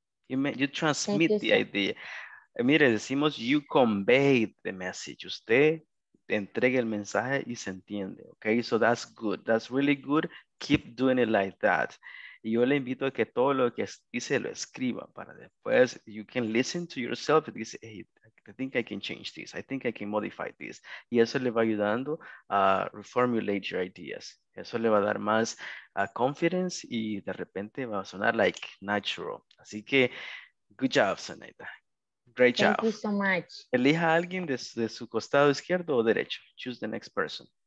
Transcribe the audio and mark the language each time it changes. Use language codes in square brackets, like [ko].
[en] You transmit the idea. [es] Mire, decimos [en] you convey the message. [es] Usted te entrega el mensaje y se entiende, ¿ok? [en] So that's good. That's really good. Keep doing it like that. [es] Y yo le invito a que todo lo que hice lo escriba para después. [en] You can listen to yourself and say, hey, I think I can change this. I think I can modify this. [es] Y eso le va ayudando a [en] reformulate your ideas. [es] Eso le va a dar más confidence y de repente va a sonar [en] like natural. [es] Así que, [en] good job, Zenaida. Great job. Thank you so much. [es] Elija a alguien de su costado izquierdo o derecho. [en] Choose the next person.